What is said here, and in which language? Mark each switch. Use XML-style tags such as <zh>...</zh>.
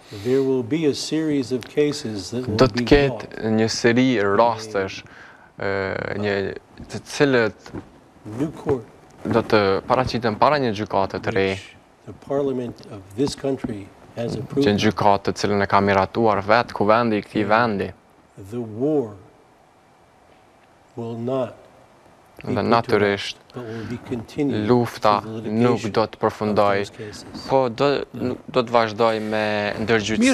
<en>There will be a series of cases that</en> <sq>do të ketë një seri rastesh një të cilët do të paraqiten para një gjykate të re.</sq> <en>The parliament of this country has approved.</en> <sq>Që një gjykatë të cilën e ka miratuar vetë kuvendi I këtij vendi.</sq> <en>The war will not</en> <sq>dhe natyrisht lufta nuk do të përfundoj, po do të vazhdoj me ndërgjyqësi në</sq>